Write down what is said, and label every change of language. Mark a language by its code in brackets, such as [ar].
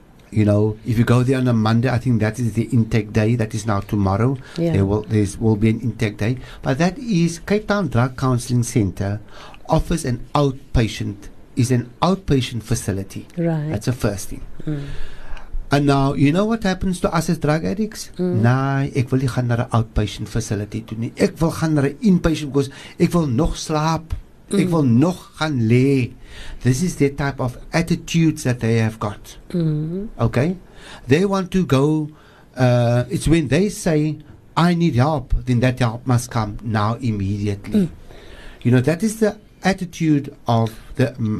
[en] You know, if you go there on a Monday, I think that is the intake day. That is now tomorrow. Yeah. There will be an intake day. But that is Cape Town Drug Counseling Centre offers an outpatient, is an outpatient facility. Right. That's the first thing. Mm. And now, you know what happens to us as drug addicts? Mm. [af] Nee, ek wil nie gaan naar een outpatient facility toe nie. Ek wil gaan naar een inpatient, because ek wil nog slaap. Mm. Ek wil nog gaan lee. [en] This is the type of attitudes that they have got. Mm. Okay? They want to go, it's when they say, I need help, then that help must come now immediately. Mm. You know, that is the attitude of the